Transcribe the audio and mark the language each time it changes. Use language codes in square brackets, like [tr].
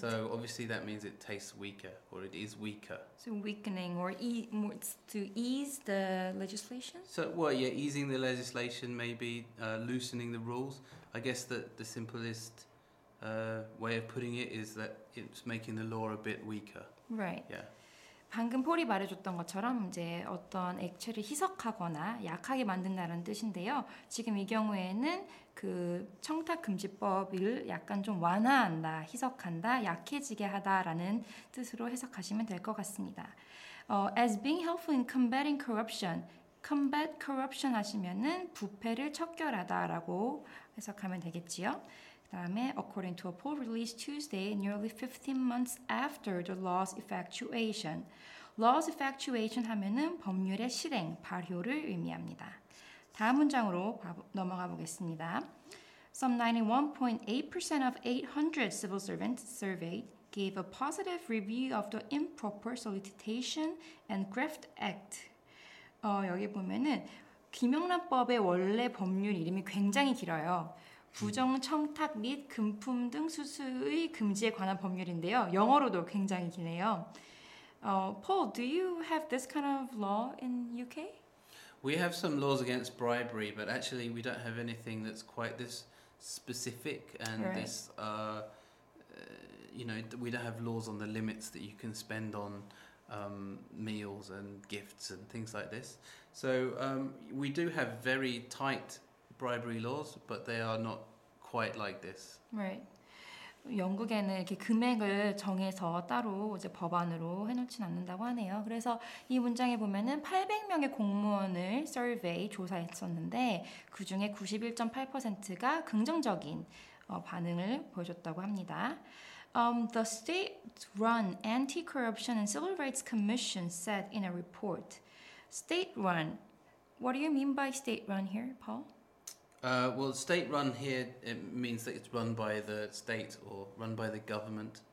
[en] So obviously that means it tastes weaker or it is weaker. So weakening or to ease the legislation? So, well, yeah, easing the legislation, maybe loosening the rules. I guess that the simplest way of putting it is that it's making the law a bit weaker. Right. Yeah. [ko] 방금 폴이 말해줬던 것처럼 이제 어떤 액체를 희석하거나 약하게 만든다는 뜻인데요. 지금 이 경우에는 그 청탁금지법을 약간 좀 완화한다, 희석한다, 약해지게 하다라는 뜻으로 해석하시면 될 것 같습니다. [en] As being helpful in combating corruption. Combat corruption [ko] 하시면은 부패를 척결하다라고 해석하면 되겠지요. 다음에 [en] according to a poll released Tuesday, nearly 15 months after the law's effectuation. Law's effectuation [ko] 하면은 법률의 실행, 발효를 의미합니다. 다음 문장으로 넘어가 보겠습니다. [en] Some 91.8% of 800 civil servants surveyed gave a positive review of the Improper Solicitation and Graft Act. [ko] 여기 보면은 김영란법의 원래 법률 이름이 굉장히 길어요. 부정 청탁 및 금품 등 수수의 금지에 관한 법률인데요. 영어로도 굉장히 기네요. [en] Paul, do you have this kind of law in UK? We have some laws against bribery, but actually we don't have anything that's quite this specific and right. this you know, we don't have laws on the limits that you can spend on meals and gifts and things like this. So we do have very tight bribery laws, but they are not quite like this. Right. [ko] 영국에는 이렇게 금액을 정해서 따로 이제 법안으로 해놓진 않는다고 하네요. 그래서 이 문장에 보면은 800명의 공무원을 survey 조사했었는데 그 중에 91.8%가 긍정적인 반응을 보여줬다고 합니다. [en] The state-run anti-corruption and civil rights commission said in a report, state-run. What do you mean by state-run here, Paul? Well, state-run here it means that it's run by the state or run by the government.